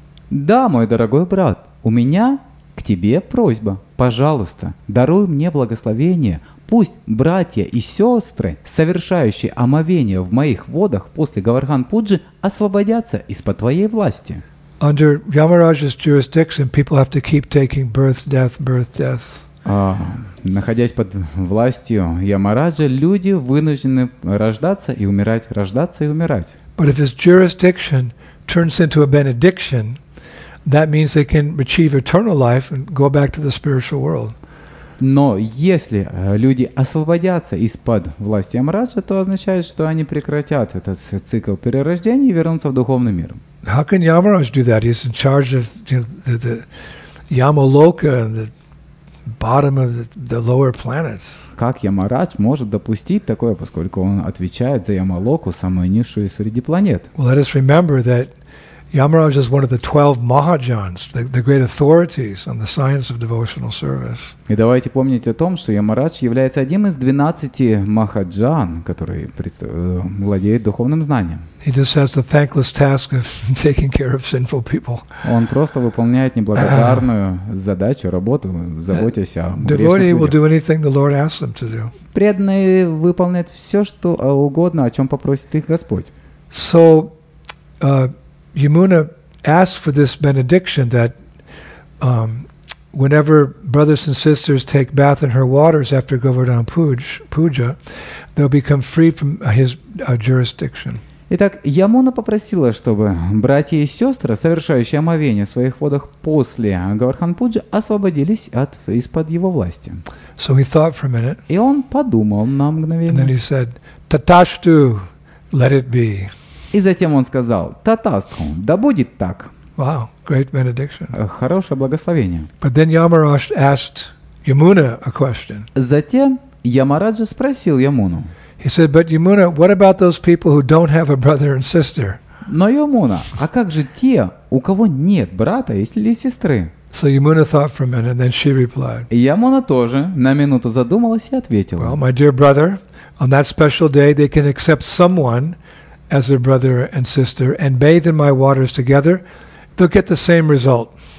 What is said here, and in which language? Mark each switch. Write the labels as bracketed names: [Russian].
[Russian] Да, мой дорогой брат. У меня к тебе просьба. пожалуйста, даруй мне благословение, пусть братья и сестры, совершающие омовение в моих водах после Говардхан Пуджи, освободятся из-под твоей власти. [English] Under Yamaraj's jurisdiction, people have to keep taking birth, death, birth, death. [Russian] Находясь под властью Ямараджа, люди вынуждены рождаться и умирать, рождаться и умирать. [English] But if his jurisdiction turns into a benediction, that means they can achieve eternal life and go back to the spiritual world. [Russian] Но если люди освободятся из-под власти Ямараджа, то означает, что они прекратят этот цикл перерождения и вернутся в духовный мир. [English] How can Yamaraj do that? He's in charge of the Yamaloka and the bottom of the lower planets. [Russian] Как Ямарадж может допустить такое, поскольку он отвечает за Ямалоку, самую низшую среди планет? [English] Well, let us remember that Yamaraj is one of the 12 Mahajans, the great authorities on the science of devotional service. [Russian] И давайте помнить о том, что Ямарадж является одним из 12 Махаджан, который владеет духовным знанием. [English] He just has the thankless task of taking care of sinful people. [Russian] Он просто выполняет неблагодарную задачу, работу, заботясь о грешных людях. [English] Devotee will do anything the Lord asks them to do. [Russian] Преданные выполняют все, что угодно, о чем попросит их Господь. [English] So, Yamuna asks for this benediction that whenever brothers and sisters take bath in her waters after Govardhan Puja, they'll become free from his jurisdiction. [Russian] Итак, Ямуна попросила, чтобы братья и сестры, совершающие омовение в своих водах после Говардхан Пуджи, освободились от из-под его власти. [English] So he thought for a minute. [Russian] И он подумал на мгновение. [English] And then he said, Таташту, let it be. [Russian] И затем он сказал, Татастху, да будет так. [English] Wow, great benediction. [Russian] Хорошее благословение. [English] But then Yamaraj asked Yamuna a question. [Russian] Затем Ямараджа спросил Ямуну. [English] He said, but Yamuna, what about those people who don't have a brother and sister? [Russian] Но Ямуна, а как же те, у кого нет брата или сестры? [English] So Yamuna thought for a minute, and then she replied. [Russian] Ямуна тоже на минуту задумалась и ответила. [English] Well, my dear brother, on that special day they can accept someone as their brother and sister and bathe in my waters together, they'll get the same result.